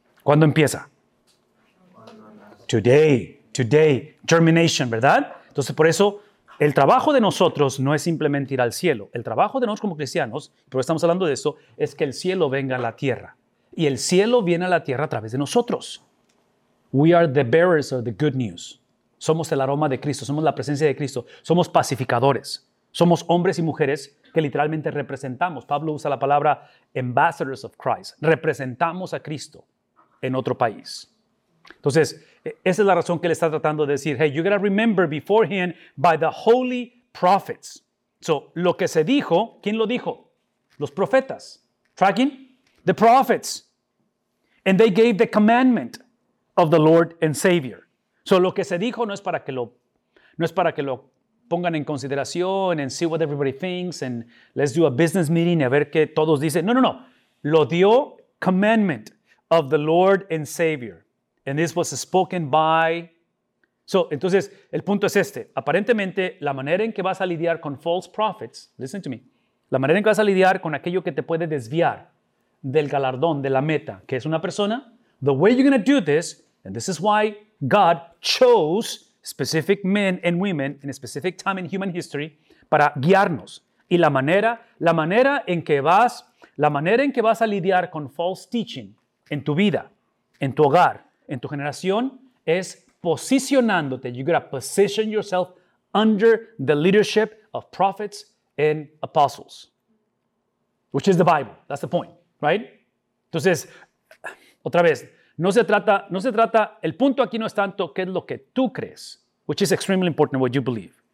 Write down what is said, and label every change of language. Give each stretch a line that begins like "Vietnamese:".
Spanish: ¿Cuándo empieza?
English: Today. Today.
Spanish: Germination, ¿verdad? Entonces, por eso, el trabajo de nosotros no es simplemente ir al cielo. El trabajo de nosotros como cristianos, pero estamos hablando de eso, es que el cielo venga a la tierra. Y el cielo viene a la tierra a través de nosotros.
English: We are the bearers of the good news.
Spanish: Somos el aroma de Cristo. Somos la presencia de Cristo. Somos pacificadores. Somos hombres y mujeres que literalmente representamos. Pablo usa la palabra ambassadors of Christ. Representamos a Cristo en otro país. Entonces, esa es la razón que le está tratando de decir,
English: hey, you gotta remember beforehand by the holy prophets.
Spanish: So, lo que se dijo, ¿quién lo dijo? Los profetas.
English: Tracking? The prophets. And they gave the commandment of the Lord and Savior.
Spanish: So, lo que se dijo no es para que lo, no es para que lo pongan en consideración
English: and see what everybody thinks and let's do a business meeting
Spanish: a ver qué todos dicen. No, no, no. Lo dio
English: commandment of the Lord and Savior. And this was spoken by...
Spanish: So, entonces, el punto es este. Aparentemente, la manera en que vas a lidiar con false prophets,
English: listen to me,
Spanish: la manera en que vas a lidiar con aquello que te puede desviar del galardón, de la meta, que es una persona,
English: the way you're going to do this, and this is why God chose specific men and women in a specific time in human history
Spanish: para guiarnos. Y la manera en que vas a lidiar con false teaching en tu vida, en tu hogar, en tu generación, es posicionándote.
English: You gotta position yourself under the leadership of prophets and apostles. Which is the Bible. That's the point, right?
Spanish: Entonces, otra vez, no se trata, el punto aquí no es tanto qué es lo que tú crees,
English: which is extremely important what you believe.